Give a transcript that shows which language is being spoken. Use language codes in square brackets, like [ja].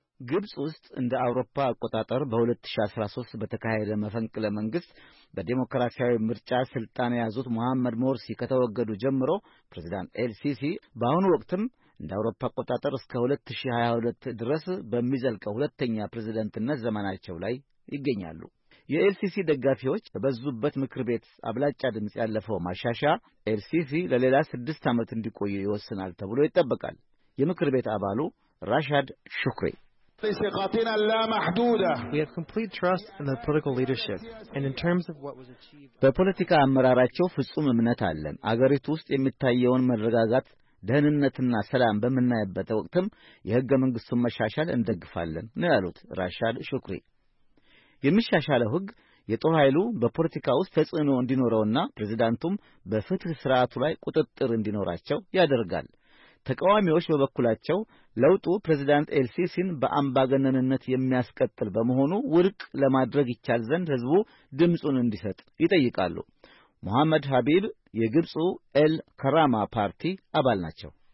[am] ግብጽ ውስጥ እንደ አውሮፓ አቆጣጠር በ2013 በተካሄደ መፈንቅለ መንግስት በዲሞክራሲያዊ ምርጫ ስልጣን ያዙት መሐመድ ሞርሲ ከተወገዱ ጀምሮ ፕሬዝዳንት ኤልሲሲ በአሁኑ ወቅትም እንደ አውሮፓ አቆጣጠር እስከ 2022 ድረስ በሚዘልቀው ሁለተኛ ፕሬዝዳንትነት ዘመናቸው ላይ ይገኛሉ። የኤልሲሲ ደጋፊዎች በበዙበት ምክር ቤት አብላጫ ድምጽ ያለፈው ማሻሻያ ኤልሲሲ ለሌላ 6 ዓመት እንዲቆዩ ይወስናል ተብሎ ይጠበቃል። የምክር ቤት አባሉ ራሻድ ሹክሪ [ar] ثقتنا لا محدوده [en] we have complete trust in the political leadership and in terms of what was achieved [am] በፖለቲካ አመራራቸው ፍጹም እምነት አለን። አገሪቱ ውስጥ የሚታየውን መረጋጋት ደህንነትና ሰላም በመናየበት ወቅትም የሕገ መንግስቱን መሻሻል እንደግፋለን ነው ያሉት ራሻድ ሹክሪ። የሚሻሻለው ሕግ የጦር ኃይሉ በፖለቲካ ውስጥ ተጽዕኖ እንዲኖረውና ፕሬዝዳንቱም በፍትህ ስርዓቱ ላይ ቁጥጥር እንዲኖራቸው ያደርጋል። ተቃዋሚዎች በበኩላቸው ለውጡ ፕሬዝዳንት ኤልሲሲን በአምባገነንነት የሚያስቀጥል በመሆኑ ውርቅ ለማድረግ ይቻል ዘንድ ህዝቡ ድምጹን እንዲሰጥ ይጠይቃሉ። መሐመድ ሀቢብ የግብጹ ኤል ከራማ ፓርቲ አባል ናቸው።